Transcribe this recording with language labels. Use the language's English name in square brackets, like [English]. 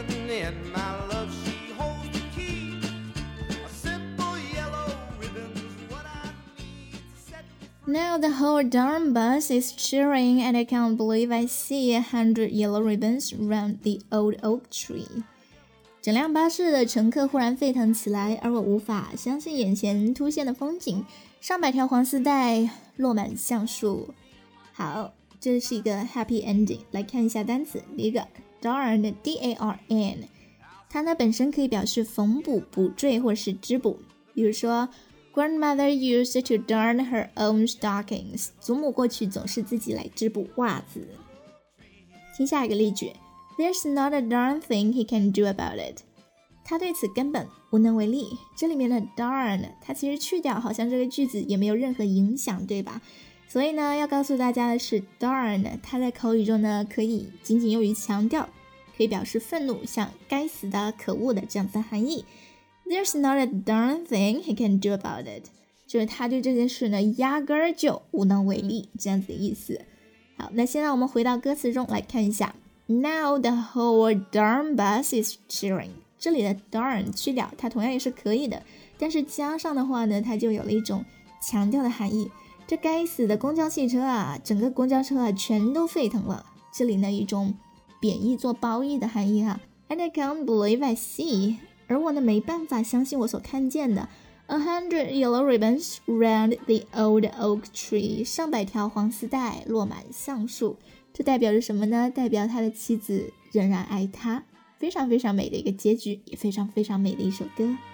[English] And my love, she holds the key. A simple yellow ribbon's what I need to set me free. Now the whole darn bus is cheering, and I can't believe I see 100 yellow ribbons round the old oak tree. [Chinese] 整辆巴士的乘客忽然沸腾起来，而我无法相信眼前突现的风景，上百条黄丝带落满橡树。好，这是一个 [English] happy ending. [Chinese] 来看一下单词，第一个。 Darn, D-A-R-N， 它呢本身可以表示缝补、补缀或是织补。比如说 [English] Grandmother used to darn her own stockings， [Chinese] 祖母过去总是自己来织补袜子。听下一个例句， [English] There's not a darn thing he can do about it， [Chinese] 他对此根本无能为力。这里面的 darn 它其实去掉好像这个句子也没有任何影响，对吧？所以呢要告诉大家的是 darn 它在口语中呢可以仅仅用于强调，可以表示愤怒，像该死的、可恶的这样子的含义。 [English] There's not a darn thing he can do about it， [Chinese] 就是他对这件事呢压根就无能为力这样子的意思。好，那现在我们回到歌词中来看一下。 [English] Now the whole darn bus is cheering， [Chinese] 这里的 darn 去掉它同样也是可以的，但是加上的话呢它就有了一种强调的含义。这该死的公交汽车啊，整个公交车啊全都沸腾了。这里呢一种贬义做褒义的含义哈。 [English] And I can't believe I see， [Chinese] 而我呢没办法相信我所看见的。 [English] 100 yellow ribbons round the old oak tree， [Chinese] 上百条黄丝带落满橡树。这代表着什么呢？代表他的妻子仍然爱他。非常非常美的一个结局，也非常非常美的一首歌。